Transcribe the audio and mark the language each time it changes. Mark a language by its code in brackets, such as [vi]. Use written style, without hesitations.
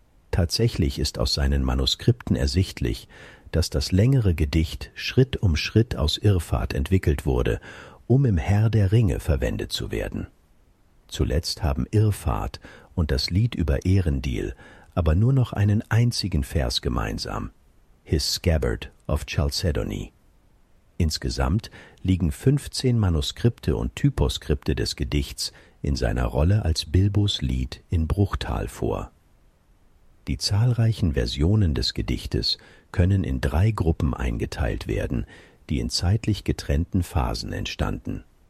[de] Tatsächlich ist aus seinen Manuskripten ersichtlich, dass das längere Gedicht Schritt um Schritt aus Irrfahrt entwickelt wurde, um im Herr der Ringe verwendet zu werden. Zuletzt haben Irrfahrt und das Lied über Erendil aber nur noch einen einzigen Vers gemeinsam. [en] His Scabbard of Chalcedony. [de] Insgesamt liegen 15 Manuskripte und Typoskripte des Gedichts in seiner Rolle als Bilbos Lied in Bruchtal vor. Die zahlreichen Versionen des Gedichtes können in drei Gruppen eingeteilt werden, die in zeitlich getrennten Phasen entstanden.